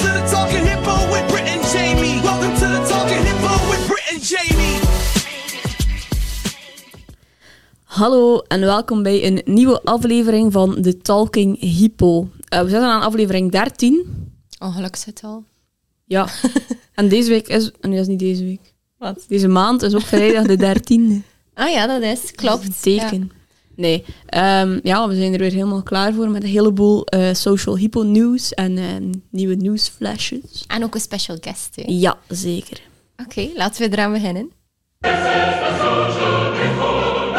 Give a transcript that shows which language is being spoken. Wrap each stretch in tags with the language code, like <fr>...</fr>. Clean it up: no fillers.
<en>Talking Hippo with Britt and Jamie. Welcome to the Talking Hippo with Britt and Jamie.</en> <nl>Hallo en welkom bij een nieuwe aflevering van de Talking Hippo. We zitten aan aflevering 13. Ongeluksgetal. Ja. En deze week is... Nee, dat is niet deze week. Wat? Deze maand is ook vrijdag de 13e. Ah ja, dat is. Klopt. Dat is een teken. Ja. Nee. Ja, we zijn er weer helemaal klaar voor met een heleboel social hippo nieuws en nieuwe nieuwsflashes. En ook een special guest, hè? Ja, zeker. Oké, laten we eraan beginnen.</nl> <en>This is the social hippo.</en>